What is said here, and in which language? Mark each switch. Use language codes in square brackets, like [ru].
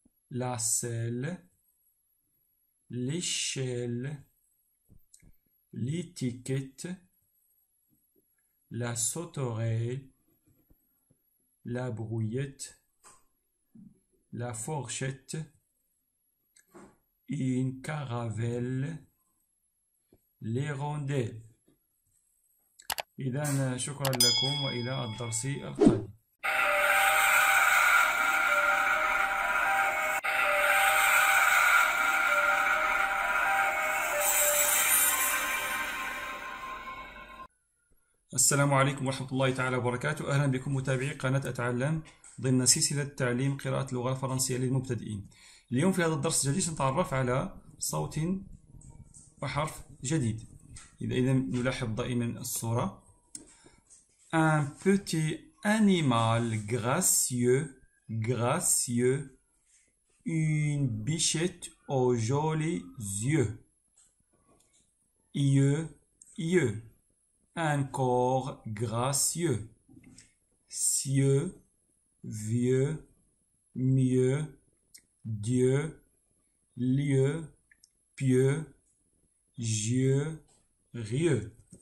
[fr] La selle, l'échelle, l'étiquette, la sauterelle, la brouillette, la fourchette, une caravelle, l'hirondelle. [ar] إذن شكرا لكم وإلى الدرس القادم. السلام عليكم ورحمة الله تعالى وبركاته. أهلا بكم متابعي قناة أتعلم ضمن سلسلة تعليم قراءة اللغة الفرنسية للمبتدئين. اليوم في هذا الدرس الجديد سنتعرف على صوت وحرف جديد. إذا نلاحظ دائما الصورة. [fr] Un petit animal gracieux, gracieux, une bichette aux jolis yeux, yeux. Un corps gracieux, cieux, vieux, mieux, dieu, lieu, pieux, jeu, rieux.